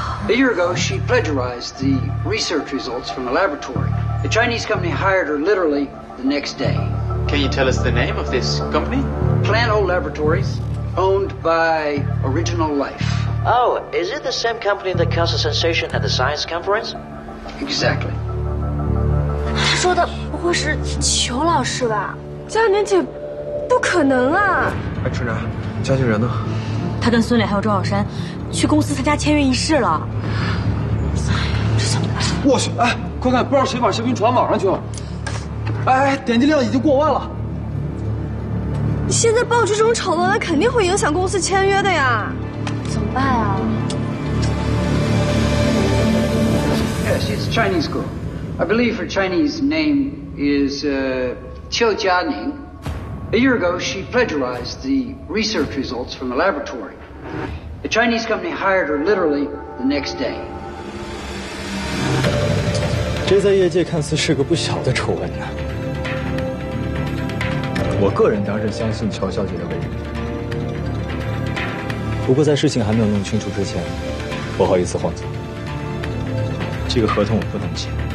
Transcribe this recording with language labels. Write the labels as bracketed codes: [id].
[en] A year ago, she plagiarized the research results from the laboratory. A Chinese company hired her literally the next day. Can you tell us the name of this company? Plano Laboratories, owned by Original Life. Oh, is it the same company that caused a sensation at the science conference? Exactly. [zh] 他说的不会是裘老师吧？嘉年姐，不可能啊！哎，春楠，嘉年人呢？他跟孙磊还有周小山。去公司参加签约仪式了，我去，哎，快看，不知道谁把视频传网上去了。哎，点击量已经过万了。你现在爆出这种丑闻来，肯定会影响公司签约的呀。怎么办啊 [en] ？Yes, it's Chinese girl. I believe her Chinese name is Qiu Jianing. A year ago, she plagiarized the research results from a laboratory. A Chinese company hired her literally the next day. [zh] 这在业界看似是个不小的丑闻呢。我个人当然相信乔小姐的为人，不过在事情还没有弄清楚之前，不好意思，黄总，这个合同我不能签。